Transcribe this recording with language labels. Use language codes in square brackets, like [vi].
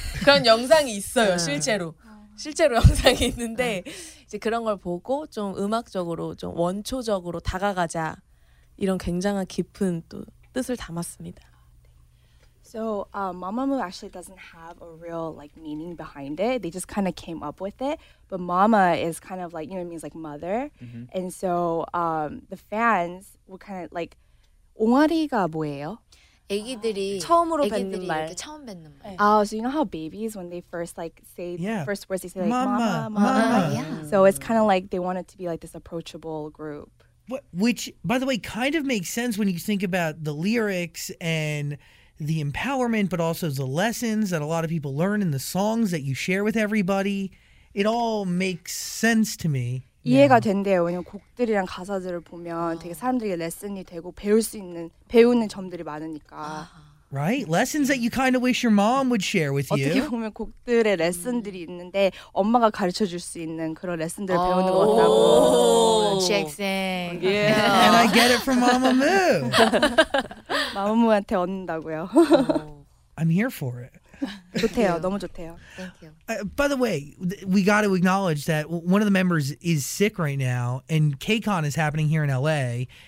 [ko] 그런 영상이 있어요. 실제로 영상이 있는데 이제 그런 걸 보고 좀 음악적으로 좀 원초적으로 다가가자 이런 굉장한 깊은 또 뜻을 담았습니다. [en] So Mamamoo actually doesn't have a real like meaning behind it. They just kind of came up with it. But Mama is kind of like, you know, it means like mother. Mm-hmm. And so the fans were kind of like [ko] 옹알이가 뭐예요? 애기들이 처음으로 뱉는 말. 처음 뱉는 말. [en] Oh, so you know how babies, when they first like say the first words, they say like, mama, mama. So it's kind of like they want it to be like this approachable group. Which, by the way, kind of makes sense when you think about the lyrics and the empowerment, but also the lessons that a lot of people learn in the songs that you share with everybody. It all makes sense to me. [ko] 이해가 된대요. 왜냐면 곡들이랑 가사들을 보면 되게 사람들에게 레슨이 되고 배울 수 있는 배우는 점들이 많으니까. [en] Right? Lessons that you kind of wish your mom would share with you. [ko] 어떻게 보면 곡들의 레슨들이 있는데 엄마가 가르쳐 줄 수 있는 그런 레슨들을 배우는 것 같다고. [en] Jackson. Yeah. And I get it from Mamamoo. [ko] 마마무한테 얻는다고요. [en] I'm here for it. [ko] 좋대요. 너무 좋대요. [en] Thank you. By the way, we got to acknowledge that one of the members is sick right now, and KCON is happening here in LA.